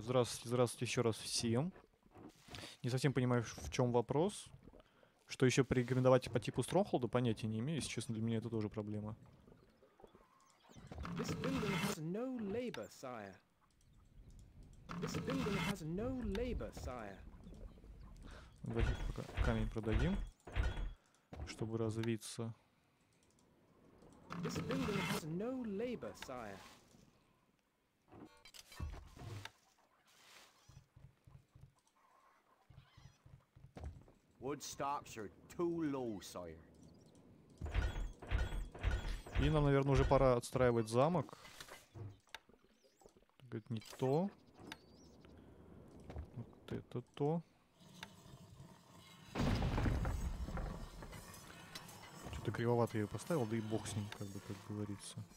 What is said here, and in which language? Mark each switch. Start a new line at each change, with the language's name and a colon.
Russian: Здравствуйте, здравствуйте еще раз всем. Не совсем понимаю, в чем вопрос. Что еще порекомендовать по типу Stronghold, понятия не имею. Если честно, для меня это тоже проблема.
English: This building has no labor, sire. This building has no labor, sire.
Russian: Давайте пока камень продадим, чтобы развиться.
English: This building has no labor, sire. Wood stocks are too low, sire.
Russian: И нам, наверное, уже пора отстраивать замок. Говорит, не то. Вот это то. Что-то кривовато я ее поставил, да и бог с ним, как бы так говорится.